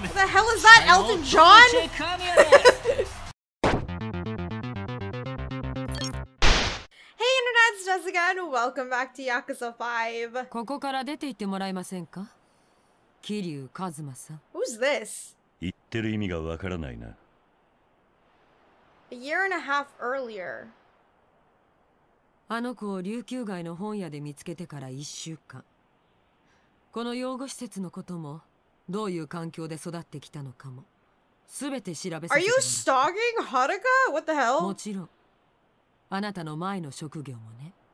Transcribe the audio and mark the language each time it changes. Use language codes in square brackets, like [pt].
[en] What the hell is that, Elton John? Hey, Internet, it's Jessica, and welcome back to Yakuza 5. [ja] ここから出て行ってもらえませんか? キリュウ・カズマさん。 [en] Who's this? [ja] 言ってる意味がわからないな。 [en] A year and a half earlier. [ja] あの子を琉球街の本屋で見つけてから一週間。この養護施設のことも、どういう環境で育ってきたのかも、すべて調べさせてもらった。 [en] Are you stalking Haruka? What the hell? [ja] もちろん。あなたの前の職業もね。